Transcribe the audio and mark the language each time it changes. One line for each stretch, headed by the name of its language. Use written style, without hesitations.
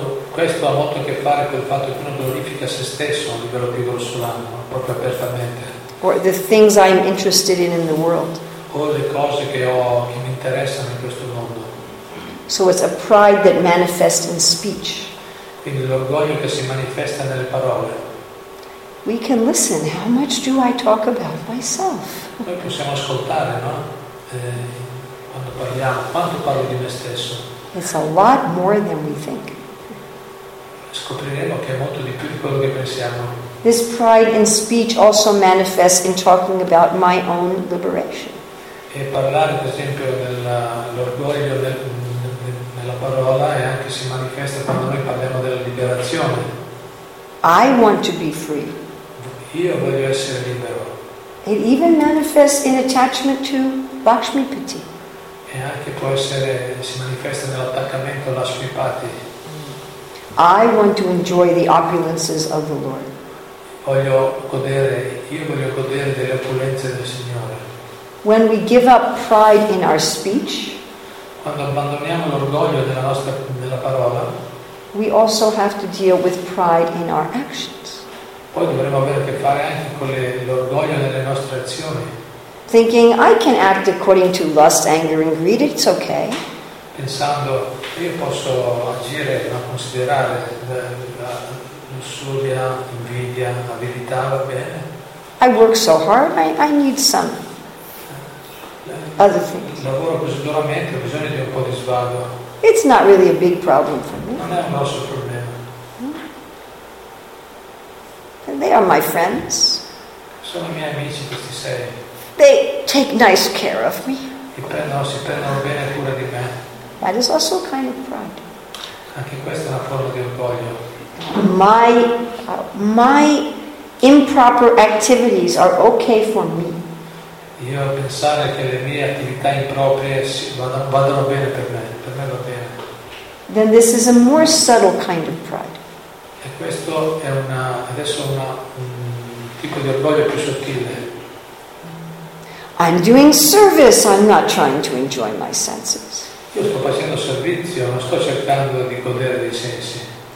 Italian: Questo ha molto a che fare col fatto che uno glorifica se stesso a livello più grossolano, proprio apertamente.
English: Or the things I'm interested in the world.
Italian: O le cose che ho che mi interessano in questo mondo.
English: So it's a pride that manifests in speech.
Italian: Quindi l'orgoglio che si manifesta nelle parole.
English: We can listen. How much do I talk about myself?
Italian: Noi possiamo ascoltare, no? Quando parliamo, quanto parlo di me stesso?
English: It's a lot more than we think.
Italian: Scopriremo che è molto di più di quello che pensiamo.
English: This pride in speech also manifests in talking about my own liberation.
Italian: E parlare, per esempio, dell'orgoglio nella parola e anche si manifesta quando noi parliamo della liberazione.
English: I want to be free.
Italian: Io voglio essere libero.
English: It even manifests in attachment to Lakshmipati.
Italian: E anche può essere, si manifesta nell'attaccamento alla Lakshmipati.
English: I want to enjoy the opulences of the Lord.
Italian: Io voglio godere delle opulenze del Signore.
English: When we give up pride in our speech,
Italian: quando abbandoniamo l'orgoglio della parola,
English: we also have to deal with pride in our actions.
Italian: Poi dovremo avere a che fare anche con l'orgoglio delle nostre azioni.
English: Thinking I can act according to lust, anger, and greed, it's okay.
Italian: Pensando io posso agire ma considerare la lussuria, invidia, avidità, va bene.
English: I work so hard, I need some other things.
Italian: Lavoro così duramente, ho bisogno di un po' di svago.
English: It's not really a big problem for me.
Italian: Non è un grosso problema.
English: And they are my friends.
Italian: Sono i miei amici questi sei.
English: They take nice care of me.
Italian: Si prendono bene cura di me.
English: That is also a kind of pride.
Italian: Anche questa è una forma di orgoglio.
English: My improper activities are okay for me.
Italian: Io pensare che le mie attività improprie vadano bene per me va bene.
English: Then this is a more subtle kind of pride.
Italian: E questo è un tipo di orgoglio più sottile.
English: I'm doing service. I'm not trying to enjoy my senses.
Italian: Io sto facendo servizio, non sto cercando di godere dei sensi.